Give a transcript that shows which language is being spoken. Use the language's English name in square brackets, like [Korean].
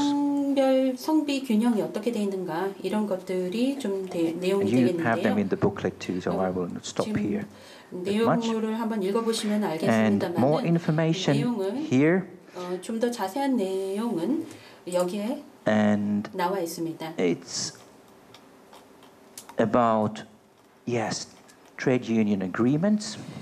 [Korean] 성별, 성비 균형이 어떻게 되어 있는가, 이런 것들이 좀 내용이 되겠는데요. [English] And you have them in the booklet too, so I will not stop here. [Korean] 내용을 한번 읽어보시면 알겠습니다만, [English] and more information here. [Korean] 좀 더 자세한 내용은 여기에 [English] And [Korean] 나와 있습니다. [English] It's about yes, trade union agreements.